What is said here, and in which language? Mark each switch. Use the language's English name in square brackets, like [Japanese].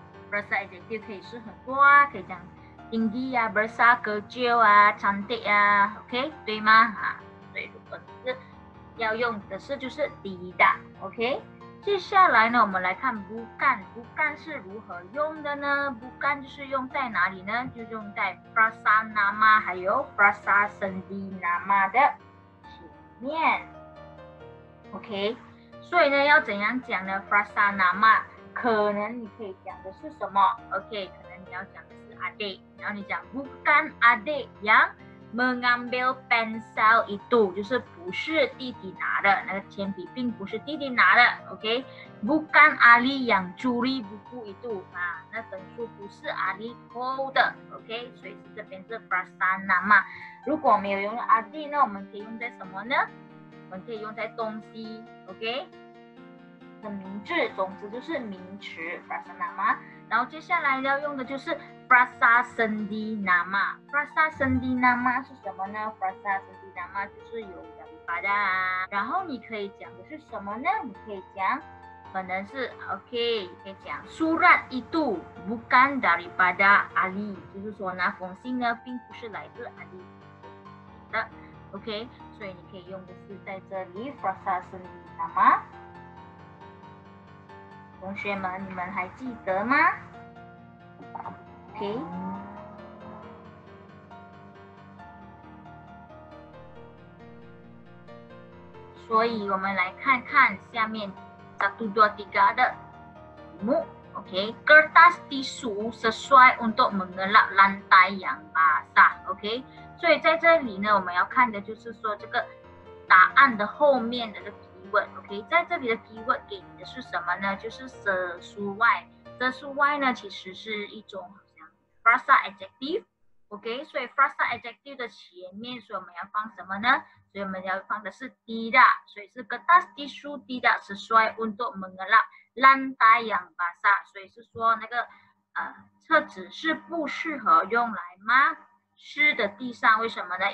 [Chinese] frasa adjective 可以是很多啊，可以讲 tinggi 啊， besar， kecil 啊， cantik 啊， OK， 对吗？啊，所以如果是要用的是就是 tidak， OK。接下来呢我们来看 bukan， bukan 是如何用的呢？ bukan 就是用在哪里呢？就用在 frasa nama 还有 frasa sendi nama 的前面， OK。所以呢要怎样讲呢？ frasa nama 可能你可以讲的是什么？ OK， 可能你要讲的是 adik， 然后你讲 [Malay] bukan adik yang mengambil pensel itu， [Chinese] 就是不是弟弟拿的那个铅笔，并不是弟弟拿的， OK。 [Malay] Bukan Ali yang curi buku itu， [Chinese] 啊，那本书不是 Ali 偷的， [Malay] OK。 [Chinese] 所以这边是 frasa nama， 如果没有用 Ali 呢，我们可以用在什么呢？我们可以用在东西， OK， 的名字，总之就是名词 frasa nama。然后接下来要用的就是frasa sendi nama。 frasa sendi nama 是什么呢？ frasa sendi nama 就是有daripada。然后你可以讲的是什么呢？你可以讲可能是 OK， 可以讲 [Malay] surat itu bukan daripada Ali， [Chinese] 就是说那封信呢并不是来自 Ali 的， OK。所以你可以用的是在这里 frasa sendi nama。同学们你们还记得吗？所以我们来看看下面 1, 2, 3的题目， OK。 [Malay] Kertas tisu sesuai untuk mengelap lantai yang basah， OK。 [Chinese] 所以在这里呢我们要看的就是说这个答案的后面的这个 keyword， OK。在这里的 keyword 给你的是什么呢？就是 sesuai。 sesuai 呢其实是一种frasa adjective， OK。所以 frasa adjective 的前面，所以我们要放什么呢？所以我们要放的是 tidak， 所以是 [Malay] kertas tisu tidak sesuai untuk mengelap lantai yang basah， [Chinese] 所以是说那个厕纸是不适合用来抹湿的地上。为什么呢？